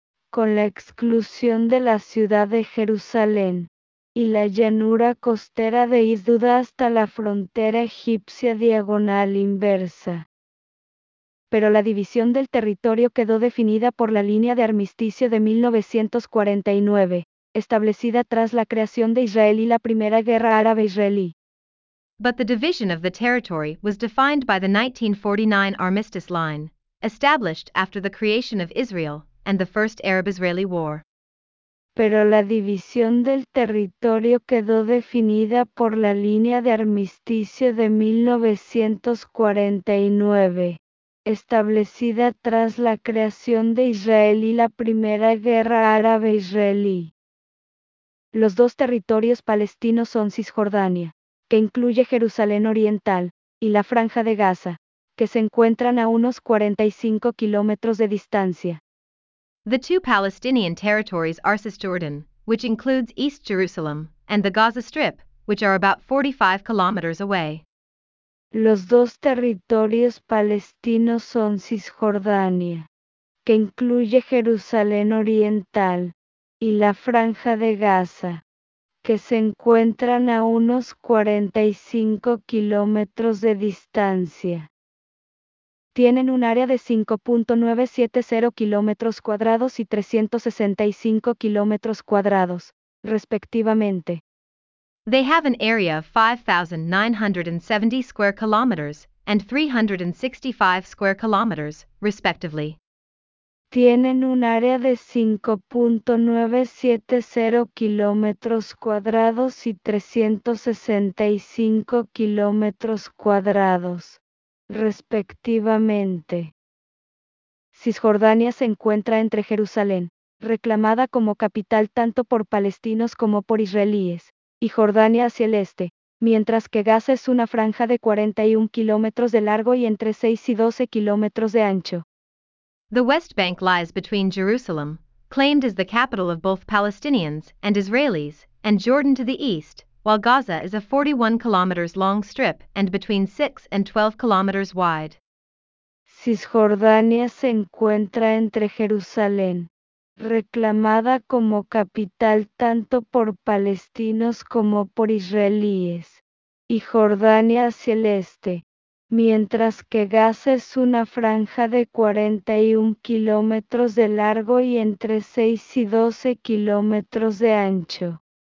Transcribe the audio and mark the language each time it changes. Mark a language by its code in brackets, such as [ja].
[es] con la exclusión de la ciudad de Jerusalén, y la llanura costera de Isduda hasta la frontera egipcia diagonal inversa. Pero la división del territorio quedó definida por la línea de armisticio de 1949, establecida tras la creación de Israel y la Primera Guerra Árabe-Israelí. [en] But the division of the territory was defined by the 1949 armistice line, established after the creation of Israel and the First Arab-Israeli War. [es] Pero la división del territorio quedó definida por la línea de armisticio de 1949. Establecida tras la creación de Israel y la Primera Guerra Árabe-Israelí. Los dos territorios palestinos son Cisjordania, que incluye Jerusalén Oriental, y la Franja de Gaza, que se encuentran a unos 45 kilómetros de distancia. [en] The two Palestinian territories are Cisjordan, which includes East Jerusalem, and the Gaza Strip, which are about 45 kilometers away. [es] Los dos territorios palestinos son Cisjordania, que incluye Jerusalén Oriental, y la Franja de Gaza, que se encuentran a unos 45 kilómetros de distancia. Tienen un área de 5.970 kilómetros cuadrados y 365 kilómetros cuadrados, respectivamente. [en] They have an area of 5,970 square kilometers and 365 square kilometers, respectively. [es] Tienen un área de 5.970 kilómetros cuadrados y 365 kilómetros cuadrados, respectivamente. Cisjordania se encuentra entre Jerusalén, reclamada como capital tanto por palestinos como por israelíes, y Jordania hacia el este, mientras que Gaza es una franja de 41 kilómetros de largo y entre 6 y 12 kilómetros de ancho. [en] The West Bank lies between Jerusalem, claimed as the capital of both Palestinians and Israelis, and Jordan to the east, while Gaza is a 41 kilometers long strip and between 6 and 12 kilometers wide. [es] Cisjordania se encuentra entre Jerusalén, reclamada como capital tanto por palestinos como por israelíes, y Jordania hacia el este, mientras que Gaza es una franja de 41 kilómetros de largo y entre 6 y 12 kilómetros de ancho.